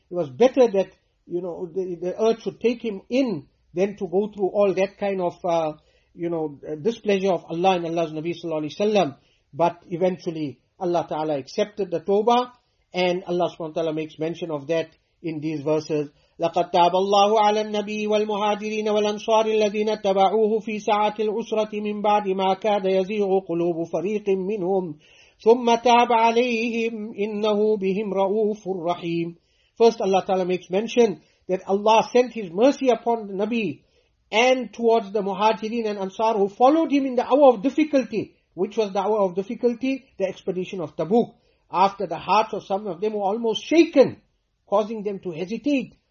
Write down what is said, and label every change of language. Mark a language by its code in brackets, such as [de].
[en] It was better that, you know, the earth should take him in than to go through all that kind of, displeasure of Allah and Allah's Nabi sallallahu alayhi wa sallam. But eventually, Allah ta'ala accepted the tawbah, and Allah subhanahu wa ta'ala makes mention of that in these verses. [ar] لقد تاب الله على النبي والمهاجرين والأنصار الذين تبعوه في ساعة العسرة من بعد ما كاد يزيغ قلوب فريق منهم ثم تاب عليهم إنه بهم رؤوف رحيم. [en] First Allah Ta'ala makes mention that Allah sent His mercy upon the Nabi and towards the Muhajirin and Ansar who followed Him in the hour of difficulty. Which was the hour of difficulty? The expedition of Tabuk. After the hearts of some of them were almost shaken, causing them to hesitate.